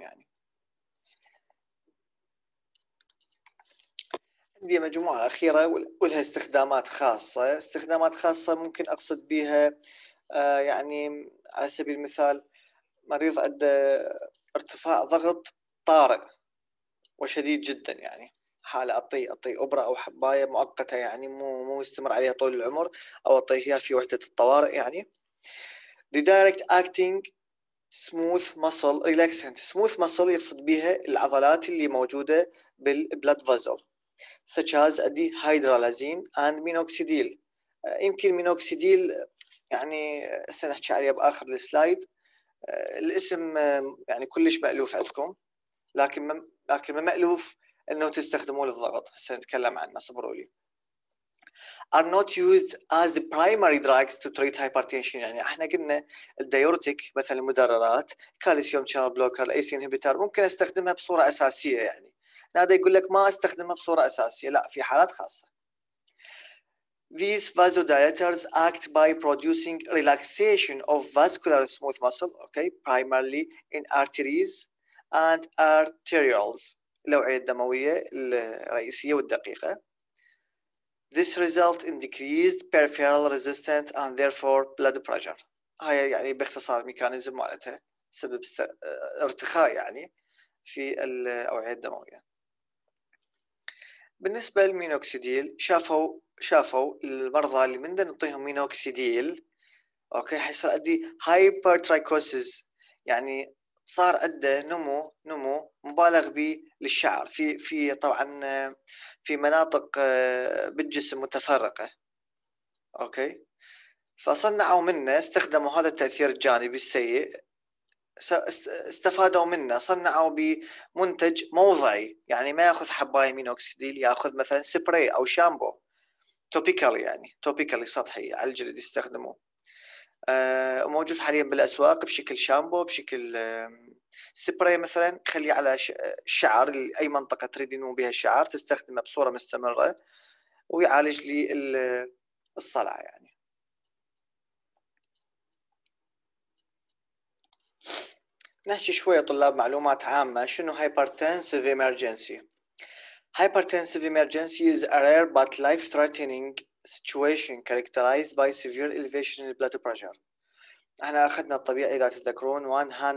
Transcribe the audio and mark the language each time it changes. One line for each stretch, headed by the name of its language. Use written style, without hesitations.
Arabic: يعني عندي مجموعة أخيرة ولها استخدامات خاصة ممكن أقصد بيها، يعني على سبيل المثال مريض عنده ارتفاع ضغط طارئ وشديد جدا، يعني حالة أعطيه أبرة أو حباية مؤقتة، يعني مو مستمر عليها طول العمر، أو أعطيه إياها في وحدة الطوارئ.
English: يعني the direct acting smooth muscle relaxant. smooth muscle
Arabic: يقصد بها العضلات اللي موجودة
English: بالblood vessel such as the hydralazine and minoxidil.
Arabic: يمكن minoxidil يعني سنحكي عليها بآخر السلايد، الاسم يعني كلش مألوف عندكم، لكن ما مألوف انه تستخدموه للضغط. هسه نتكلم عنه، صبروا لي.
English: are not used as primary drugs to treat hypertension.
Arabic: يعني احنا قلنا الديورتيك مثلا المدررات، كالسيوم شانل بلوكر، الاي سي انهبيتر، ممكن استخدمها بصوره اساسيه. يعني هذا يقول لك ما استخدمها بصوره اساسيه، لا، في حالات خاصه.
English: These vasodilators act by producing relaxation of vascular smooth muscle, okay, primarily in arteries and arterioles.
Arabic: الأوعية الدموية الرئيسية والدقيقة.
English: This result in decreased peripheral resistance and therefore blood pressure.
Arabic: هاي يعني باختصار ميكانيزم مالتها، سبب ارتخاء يعني في الأوعية الدموية. بالنسبة للمينوكسيديل، شافوا المرضى اللي من نعطيهم مينوكسيديل، اوكي، حيصير عندي هايبرتريكوسيس، يعني صار عنده نمو مبالغ به للشعر في طبعا في مناطق بالجسم متفرقه، اوكي، فصنعوا منه، استخدموا هذا التاثير الجانبي السيء، استفادوا منه، صنعوا بمنتج موضعي، يعني ما ياخذ حبايه مينوكسيديل، ياخذ مثلا سبراي او شامبو توبيكال، يعني توبيكال سطحي على الجلد يستخدموه. موجود حاليا بالاسواق بشكل شامبو، بشكل سبراي مثلا، خليه على الشعر، اي منطقه تريد ينمو بها الشعر تستخدمه بصوره مستمره ويعالج لي الصلع. يعني نحكي شويه طلاب معلومات عامه، شنو هايبرتنسيف ايمرجنسي؟
English: Hypertensive emergency is a rare but life-threatening situation characterized by severe elevation in blood pressure.
Arabic: احنا اخذنا الطبيعي اذا تذكرون 120/80.